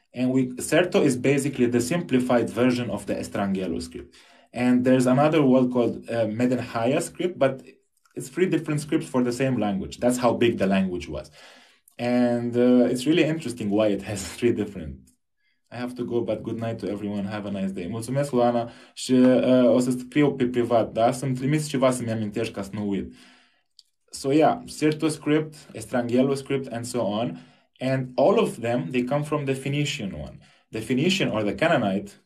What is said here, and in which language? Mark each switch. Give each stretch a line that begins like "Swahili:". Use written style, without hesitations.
English: And Serto is basically the simplified version of the Estranghelo script. And there's another one called Medinhaya script, but it's three different scripts for the same language. That's how big the language was. And it's really interesting why it has three different. I have to go, but good night to everyone. Have a nice day.
Romanian: Mulțumesc,
English: Luana.
Romanian: Și o să scriu pe privat, da? Să-mi trimiți ceva să-mi amintești ca să nu uit.
English: So, yeah, Serto script, Estranghelo script, and so on. And all of them, they come from the Phoenician one. The Phoenician or the Canaanite,